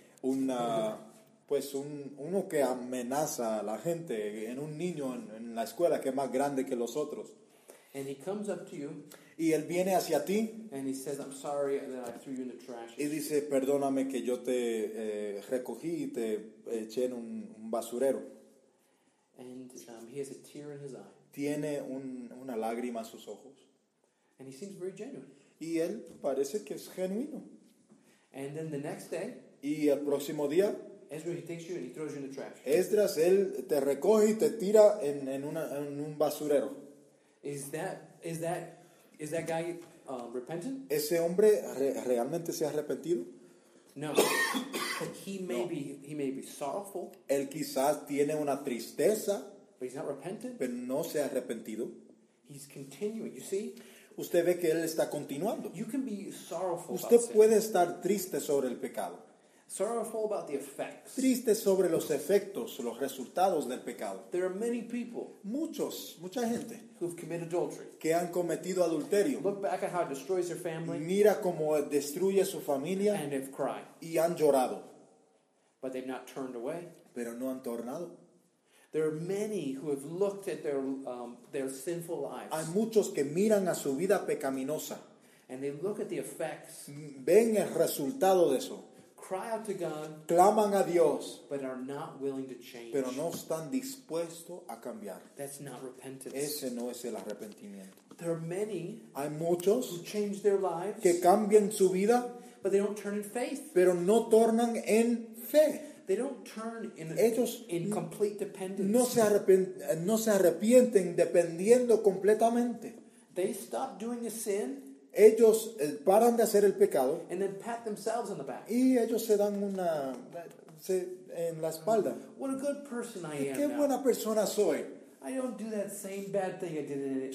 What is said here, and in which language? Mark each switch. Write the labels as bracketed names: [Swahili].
[Spanish] Uno que amenaza a la gente en un niño en la escuela que es más grande que los otros. [English] And he comes up to you. [Spanish] Y él viene hacia ti. [English] And he says, I'm sorry that I threw you in the trash. [Spanish] Y dice, perdóname que yo te recogí y te eché en un basurero. [English] And he has a tear in his eye. [Spanish] Tiene una lágrima en sus ojos. [English] And he seems very genuine. [Spanish] Y él parece que es genuino. [English] And then the next day, [Spanish] y el próximo día, [English] Ezra, he takes you and he throws you in the trash. [Spanish] Esdras, él te recoge y te tira en un basurero. [English] Is that guy repentant? [Spanish] ¿Ese hombre realmente se ha arrepentido? [English] No. He may be sorrowful. [Spanish] Él quizás tiene una tristeza. [English] But he's not repentant. [Spanish] Pero no se ha arrepentido. [English] He's continuing. You see? [Spanish] Usted ve que él está continuando. [English] You can be sorrowful. [Spanish] Usted [English] about [Spanish] puede Estar triste sobre el pecado. [English] Sorrowful about the effects. [Spanish] Triste sobre los efectos, los resultados del pecado. [English] There are many people. [Spanish] Muchos, mucha gente. [English] Who've committed adultery. [Spanish] Que han cometido adulterio. [English] Look back at how it destroys their family. [Spanish] Mira cómo destruye su familia. [English] And have cried. [Spanish] Y han llorado. [English] But they've not turned away. [Spanish] Pero no han tornado. [English] There are many who have looked at their sinful lives. [Spanish] Hay muchos que miran a su vida pecaminosa. [English] And they look at the effects. [Spanish] Ven el resultado de eso. [English] Cry out to God, [Spanish] claman a Dios, [English] but are not willing to change. [Spanish] Pero no están dispuestos a cambiar. [English] That's not repentance. [Spanish] Ese no es el arrepentimiento. [English] There are many, [Spanish] hay muchos, [English] who change their lives, [Spanish] que cambian su vida, [English] but they don't turn in faith. [Spanish] Pero no tornan en fe. [English] They don't turn in complete dependence. [Spanish] No se arrepienten dependiendo completamente. [English] They stop doing a sin. [Spanish] Ellos paran de hacer el pecado. [English] And then pat themselves on the back. [Spanish] Y ellos se dan una en la espalda. [English] What a good person I am. [Spanish] Qué buena [English] now. [Spanish] Persona soy. [English] I don't do that same bad thing I did in it.